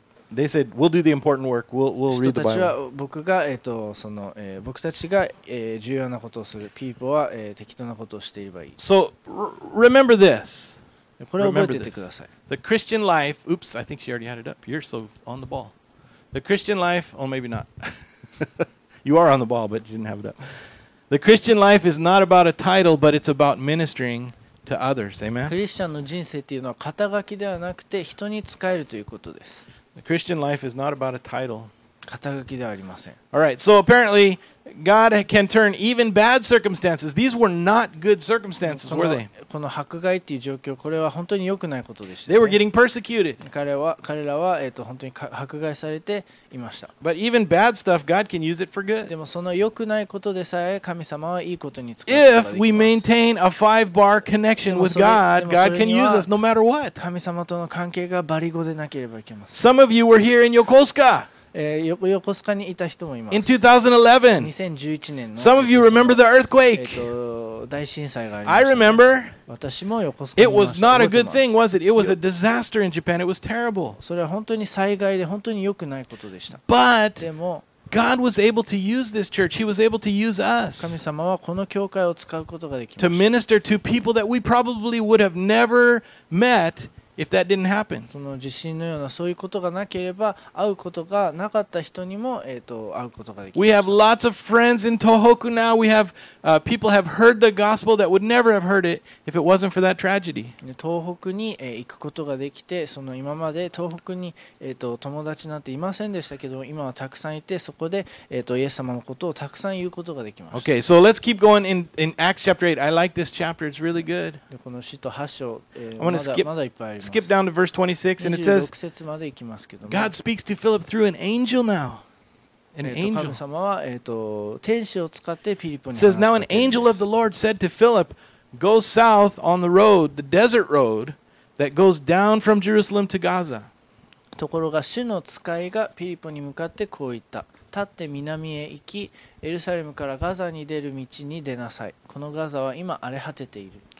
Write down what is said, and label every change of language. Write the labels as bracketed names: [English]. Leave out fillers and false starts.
[English] They said, we'll do the important work. We'll read the Bible. [Japanese] 人たちは僕が、その、僕たちが、重要なことをする。People は、適当なことをしていればいい。 [English] So, remember this. [Japanese] これを覚えててください。 [English] The Christian life... Oops, I think she already had it up. You're so on the ball. The Christian life... Oh, maybe not. You are on the ball, but you didn't have it up. The Christian life is not about a title, but it's about ministering... To others, amen. [Japanese] クリスチャンの人生っていうのは肩書きではなくて人に使えるということです。 [English] The Christian life is not about a title. [Japanese] 肩書きではありません。 [English] All right, so apparently God can turn even bad circumstances. These were not good circumstances, were they? [Japanese] この迫害っていう状況、これは本当に良くないことでした、ね。 [English] They were getting persecuted. [Japanese] 彼らは本当に迫害されていました。 [English] But even bad stuff, God can use it for good. [Japanese] でもその良くないことでさえ神様はいいことに使うことができます。 [English] If we maintain a five-bar connection with God, God can use us no matter what. [Japanese] 神様との関係がバリゴでなければいけません。 [English] Some of you were here in Yokosuka. [Japanese] 横須賀にいた人もいます。 [English] In 2011, [Japanese] 2011年の。 [English] Some of you remember the earthquake. [Japanese] 大震災がありました [English] 。I remember. [Japanese] 私も横須賀にい [English] It was not a good thing, was it? It was a disaster in Japan. It was terrible. [Japanese] それは本当に災害で本当に良くないことでした。 [English] But God was able to use this church. He was able to use us. [Japanese] 神様はこの教会を使うことができました。 [English] To minister to people that we probably would have never met. If that didn't happen. [Japanese] その地震のようなそういうことがなければ会うことがなかった人にも会うことができました [English] We have lots of friends in Tohoku now. We have people have heard the gospel that would never have heard it if it wasn't for that tragedy. [Japanese] 東北に行くことができて、その今まで東北に友達なんていませんでしたけど、今はたくさんいて、そこでイエス様のことをたくさん言うことができました。 [English] Okay, so let's keep going in Acts chapter 8. I like this chapter. It's really good. [Japanese] この使徒8章、まだいっぱい。 [English] Skip down to verse 26 and it says God speaks to Philip through an angel now. An angel. [Japanese] 神様は天使を使ってフィリポに話す。 [English] It says now an angel of the Lord said to Philip, Go south on the road, the desert road that goes down from Jerusalem to Gaza. [Japanese] ところが主の使いがフィリポに向かってこう言った。立って南へ行き、エルサレムからガザに出る道に出なさい。このガザは今荒れ果てている。